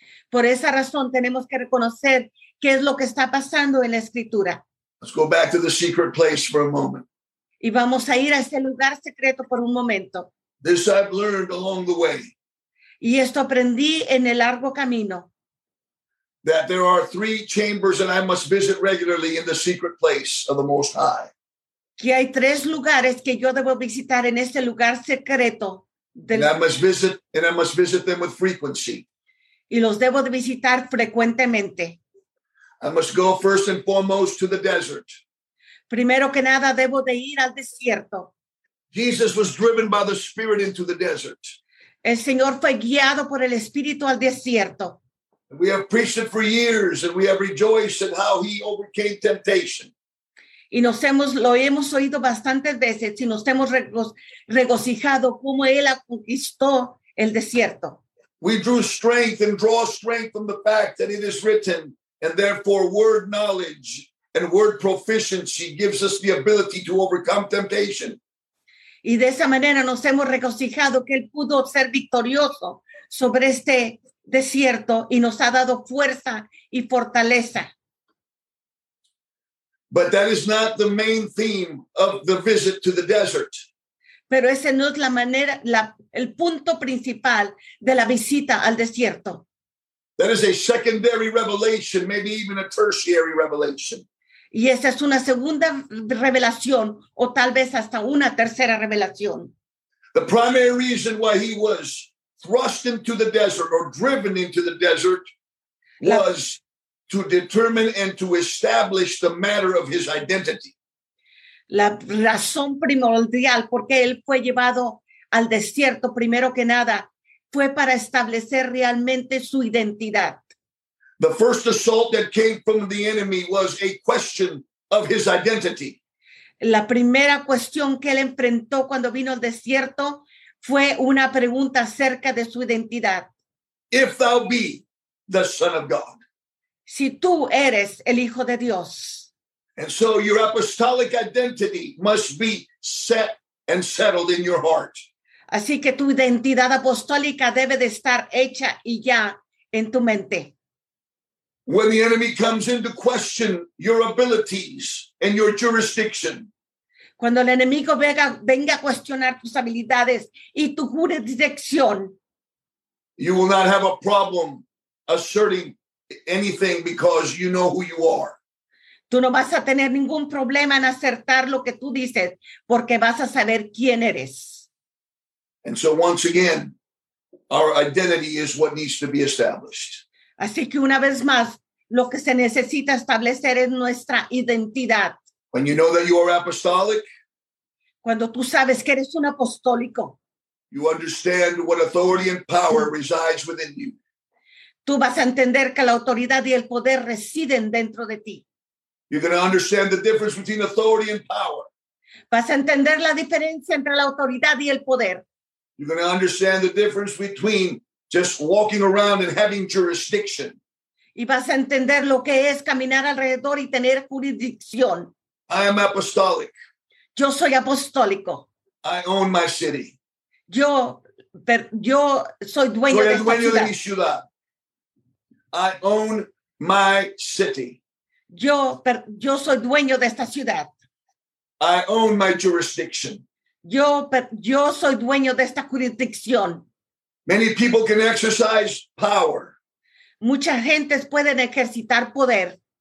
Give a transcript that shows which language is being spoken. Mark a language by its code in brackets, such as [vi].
[es] Por esa razón tenemos que reconocer qué es lo que está pasando en la Escritura. [en] Let's go back to the secret place for a moment. [es] Y vamos a ir a ese lugar secreto por un momento. [en] This I've learned along the way. [es] Y esto aprendí en el largo camino. [en] That there are three chambers that I must visit regularly in the secret place of the Most High. [es] Que hay tres lugares que yo debo visitar en este lugar secreto. [en] And I must visit them with frequency. [es] Y los debo de visitar frecuentemente. [en] I must go first and foremost to the desert. [es] Primero que nada, debo de ir al desierto. [en] Jesus was driven by the Spirit into the desert. [es] El Señor fue guiado por el Espíritu al desierto. [en] We have preached it for years and we have rejoiced at how he overcame temptation. [es] Y lo hemos oído bastantes veces y nos hemos regocijado cómo él conquistó el desierto. [en] We drew strength and draw strength from the fact that it is written, and therefore word knowledge and word proficiency gives us the ability to overcome temptation. [es] Y de esa manera nos hemos regocijado que él pudo ser victorioso sobre este desierto y nos ha dado fuerza y fortaleza. [en] But that is not the main theme of the visit to the desert. [es] Pero ese no es el punto principal de la visita al desierto. [en] That is a secondary revelation, maybe even a tertiary revelation. [es] Y esa es una segunda revelación, o tal vez hasta una tercera revelación. [en] The primary reason why he was thrust into the desert or driven into the desert was to determine and to establish the matter of his identity. [es] La razón primordial por qué él fue llevado al desierto, primero que nada, fue para establecer realmente su identidad. [en] The first assault that came from the enemy was a question of his identity. [es] La primera cuestión que él enfrentó cuando vino al desierto fue una pregunta acerca de su identidad. [en] If thou be the Son of God. [es] Si tú eres el Hijo de Dios. [en] And so your apostolic identity must be set and settled in your heart. [es] Así que tu identidad apostólica debe de estar hecha y ya en tu mente. [en] When the enemy comes into question your abilities and your jurisdiction. [es] cuando el enemigo venga a cuestionar tus habilidades y tu jurisdicción. [en] You will not have a problem asserting anything because you know who you are. [es] Tú no vas a tener ningún problema en acertar lo que tú dices porque vas a saber quién eres. [en] And so once again, our identity is what needs to be established. [es] Así que una vez más, lo que se necesita establecer es nuestra identidad. [en] When you know that you are apostolic, [es] cuando tú sabes que eres un apostólico, [en] you understand what authority and power resides within you. [es] Tú vas a entender que la autoridad y el poder residen dentro de ti. [en] You're going to understand the difference between authority and power. [es] Vas a entender la diferencia entre la autoridad y el poder. [en] You're going to understand the difference between just walking around and having jurisdiction. [es] Y vas a entender lo que es caminar alrededor y tener jurisdicción. [en] I am apostolic. [es] Yo soy apostólico. [en] I own my city. [es] Yo soy dueño, soy el dueño de esta ciudad. De mi ciudad. [en] I own my city. [es] Yo soy dueño de esta ciudad. [en] I own my jurisdiction. [es] Yo soy dueño de esta jurisdicción. [en] Many people can exercise power. [es] Muchas gentes pueden ejercitar poder.